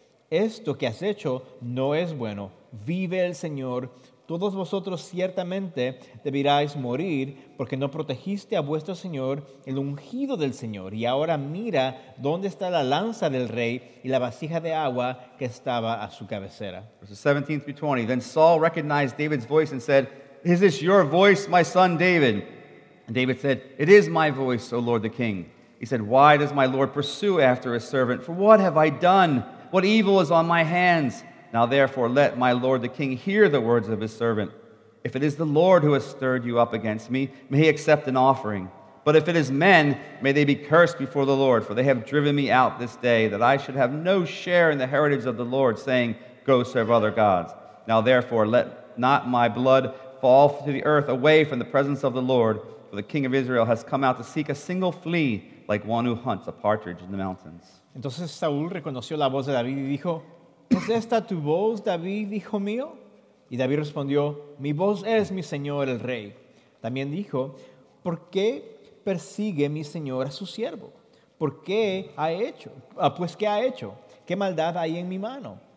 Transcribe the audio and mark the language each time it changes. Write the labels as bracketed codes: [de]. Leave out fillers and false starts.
[es] Esto que has hecho no es bueno. Vive el Señor. Todos vosotros ciertamente deberíais morir porque no protegiste a vuestro Señor, el ungido del Señor. Y ahora mira dónde está la lanza del rey y la vasija de agua que estaba a su cabecera." [en] Verses 17 through 20. Then Saul recognized David's voice and said, "Is this your voice, my son David?" And David said, "It is my voice, O Lord the King." He said, "Why does my Lord pursue after his servant? For what have I done? What evil is on my hands? Now therefore let my lord the king hear the words of his servant. If it is the Lord who has stirred you up against me, may he accept an offering. But if it is men, may they be cursed before the Lord, for they have driven me out this day, that I should have no share in the heritage of the Lord, saying, 'Go serve other gods.' Now therefore let not my blood fall to the earth away from the presence of the Lord, for the king of Israel has come out to seek a single flea, like one who hunts a partridge in the mountains." [es] Entonces Saúl reconoció la voz de David y dijo, "¿Es esta tu voz, David, hijo mío?" Y David respondió, "Mi voz es mi señor, el rey." También dijo, "¿Por qué persigue mi señor a su siervo? ¿Por qué ha hecho? Pues, ¿qué ha hecho? ¿Qué maldad hay en mi mano?